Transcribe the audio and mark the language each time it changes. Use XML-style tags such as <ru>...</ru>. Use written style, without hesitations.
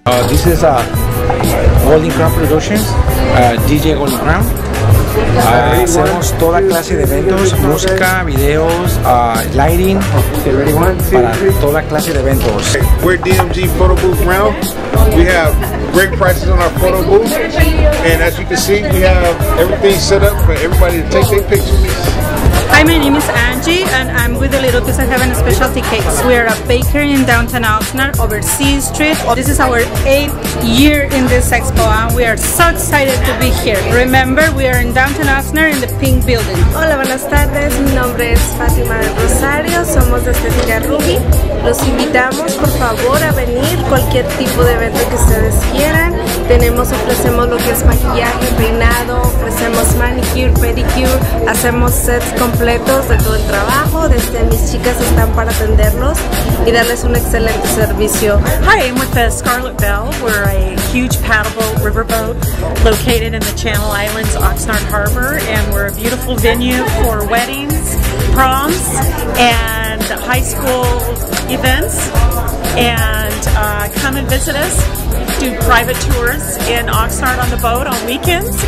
<en>This is a Golden Crown Productions, DJ Golden Crown.</en> <es>Hacemos toda clase de eventos, música, videos, lighting, para toda clase de eventos.</es> <en>Okay, we're DMG Photo Booth Round. We have great prices on our photo booth. And as you can see, we have everything set up for everybody to take their pictures. Hi, my name is Angie, and I'm with the Little Piece of Heaven Specialty Cakes. We are a bakery in downtown Oxnard, over C Street. This is our 8th year in this expo, and we are so excited to be here. Remember, we are in downtown Oxnard in the Pink Building.</en> <es>Hola, buenas tardes. Mi nombre es Fátima Rosario. Somos de Estética Ruby. Los invitamos, por favor, a venir cualquier tipo de evento que ustedes quieran. Tenemos, ofrecemos lo que es maquillaje, peinado, ofrecemos manicure, pedicure, hacemos sets completos de todo el trabajo. Desde mis chicas están para atenderlos y darles un excelente servicio.</es> <en>Hi, I'm with the Scarlet Bell. We're a huge paddleboat, riverboat, located in the Channel Islands, Oxnard Harbor, and we're a beautiful venue for weddings, proms, and high school events. And come and visit us. Do private tours in Oxnard on the boat on weekends.</en>